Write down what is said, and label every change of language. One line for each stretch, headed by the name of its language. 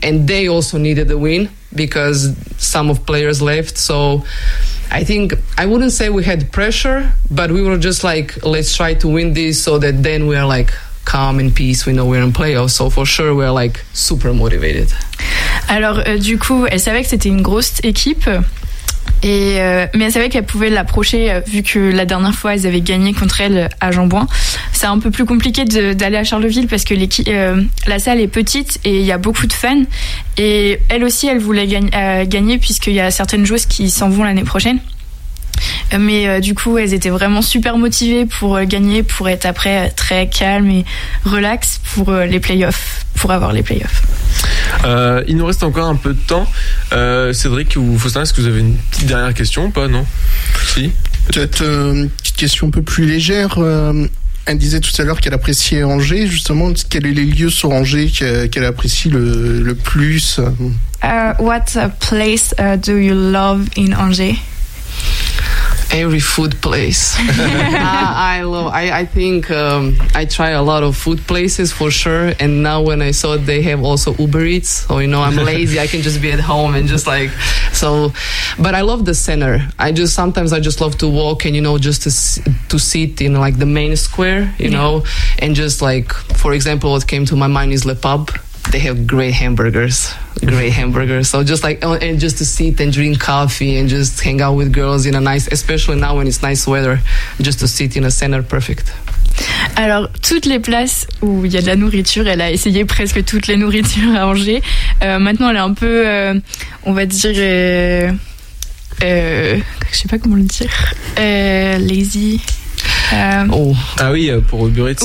English: And they also needed a win because some of players left. So I think I wouldn't say we had pressure, but we were just like, let's try to win this so that then we are like calm and peace. We know we're in playoffs, so for sure we are like super motivated.
French: Alors du coup, elle savait que c'était une grosse équipe, et mais elle savait qu'elle pouvait l'approcher vu que la dernière fois elles avaient gagné contre elle à Jeanbouin. C'est un peu plus compliqué d'aller à Charleville parce que la salle est petite et il y a beaucoup de fans. Et elle aussi, elle voulait gagner puisqu'il y a certaines joueuses qui s'en vont l'année prochaine. Mais du coup, elles étaient vraiment super motivées pour gagner, pour être après très calmes et relax pour les playoffs, pour avoir les playoffs. Il nous reste encore un peu de temps. Cédric ou Faustin, est-ce que vous avez une petite dernière question ou pas? Non. Si. Peut-être une petite question un peu plus légère. Elle disait tout à l'heure qu'elle appréciait Angers. Justement, quels sont les lieux sur Angers qu'elle apprécie le plus?
English: What place do you love in Angers? Every food place. I try a lot of food places for sure. And now when I saw they have also Uber Eats, so you know I'm lazy, I can just be at home and just like, so. But I love the center. I just love to walk and you know just to sit in like the main square, you know, and just like, for example, what came to my mind is Le Pub. They have great hamburgers. So just like, and just to sit and drink coffee and just hang out with girls in a nice, especially now when it's nice weather, just to sit in a center, perfect.
French: Alors, toutes les places où il y a de la nourriture, elle a essayé presque toutes les nourritures à Angers. Maintenant, elle est un peu, on va dire, je sais pas comment le dire, lazy. Ah oui, pour Uber Eats.